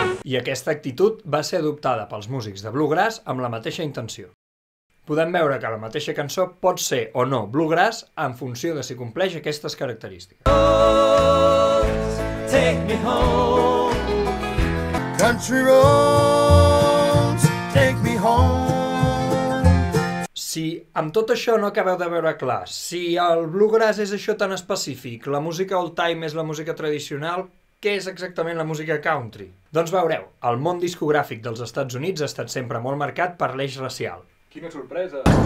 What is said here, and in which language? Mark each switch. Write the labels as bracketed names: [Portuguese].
[Catalan] I aquesta actitud va ser adoptada pels músics de bluegrass amb la mateixa intenció. Podem veure que la mateixa cançó pot ser o no bluegrass en funció de si compleix aquestes característiques. [English] Roads, take me home. Country roads, take me home. [Catalan] Si amb tot això no acabeu de veure clar, si el bluegrass és això tan específic, la música old time és la música tradicional, què és exactament la música country? Doncs veureu, el món discogràfic dels Estats Units ha estat sempre molt marcat per l'eix racial. Quina sorpresa!